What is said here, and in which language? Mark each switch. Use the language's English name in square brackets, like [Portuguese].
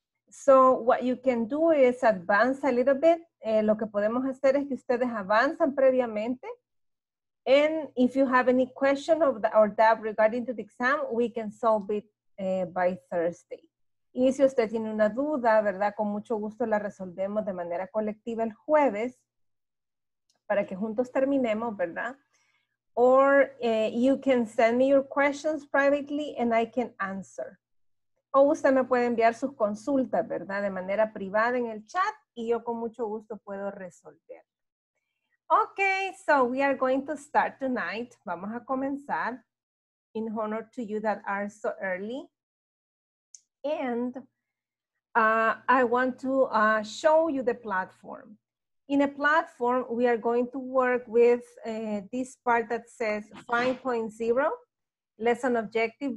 [English] So what you can do is advance a little bit. [Spanish] Lo que podemos hacer es que ustedes avanzan previamente. [English] And if you have any question of the, or doubt regarding to the exam, we can solve it by Thursday. [Spanish] Y si usted tiene una duda, ¿verdad? Con mucho gusto la resolvemos de manera colectiva el jueves para que juntos terminemos, ¿verdad? [English] Or you can send me your questions privately and I can answer. [Spanish] O usted me puede enviar sus consultas, ¿verdad? De manera privada en el chat y yo con mucho gusto puedo resolver. [English] Okay, so we are going to start tonight. [Spanish] Vamos a comenzar [English] in honor to you that are so early. And I want to show you the platform. In a platform, we are going to work with this part that says 5.0, lesson objective.